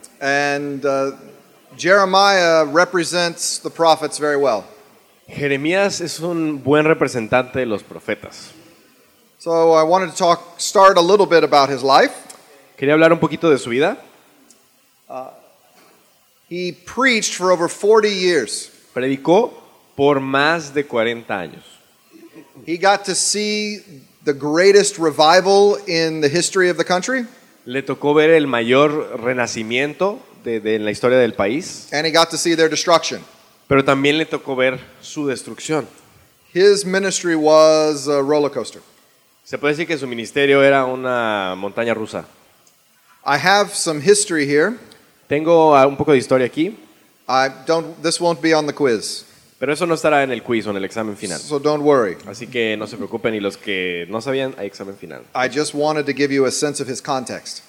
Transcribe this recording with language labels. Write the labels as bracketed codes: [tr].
[en] And Jeremiah represents the prophets very well. [es] Jeremías es un buen representante de los profetas. [en] So I wanted to start a little bit about his life. [es] Quería hablar un poquito de su vida. [en] He preached for over 40 years. [es] Predicó por más de 40 años. [en] He got to see the greatest revival in the history of the country. [es] Le tocó ver el mayor renacimiento de en la historia del país. [en] And he got to see their destruction. [es] Pero también le tocó ver su destrucción. [en] His ministry was a roller coaster. [es] Se puede decir que su ministerio era una montaña rusa. [en] I have some history here. [es] Tengo un poco de historia aquí. [en] This won't be on the quiz. [es] Pero eso no estará en el quiz o en el examen final. [en] So don't worry. [es] Así que no se preocupen, y los que no sabían, hay examen final. [en] I just wanted to give you a sense of his context.